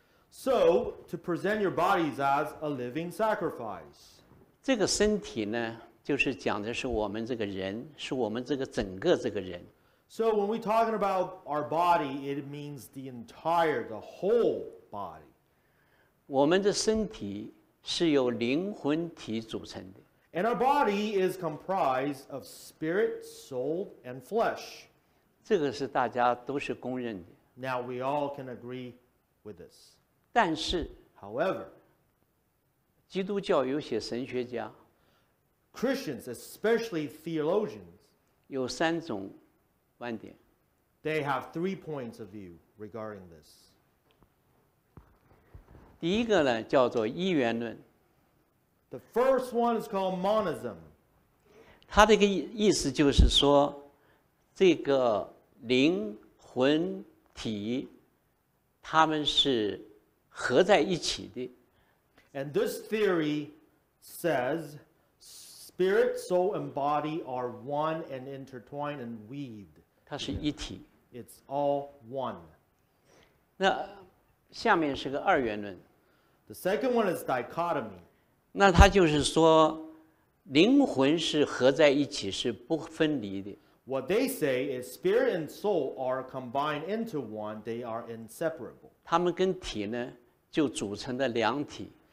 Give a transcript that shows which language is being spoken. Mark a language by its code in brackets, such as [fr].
[en] So, to present your bodies as a living sacrifice. [zh] 这个身体呢，就是讲的是我们这个人，是我们这个整个这个人。 [en] So, when we're talking about our body, it means the entire, the whole body. [zh] 我们的身体是由灵魂体组成的。 [en] And our body is comprised of spirit, soul, and flesh. [zh] 这个是大家都是公认的。 [en] Now we all can agree with this. [zh] 但是 [en] ，However， [zh] 基督教有些神学家 [en] ，Christians especially theologians， [zh] 有三种观点。 [en] They have three points of view regarding this. [zh] 第一个呢叫做一元论。 [en] The first one is called monism. [zh] 它这个意思就是说，这个。灵魂体，他们是合在一起的。 [en] And this theory says spirit, soul, and body are one and intertwined and weaved. [zh] 它是一体。 [en] It's all one. [zh] 那下面是个二元论。 [en] The second one is dichotomy. [zh] 那它就是说，灵魂是合在一起，是不分离的。 [en] What they say is spirit and soul are combined into one, they are inseparable. [zh] 他们跟体呢就组成了两体。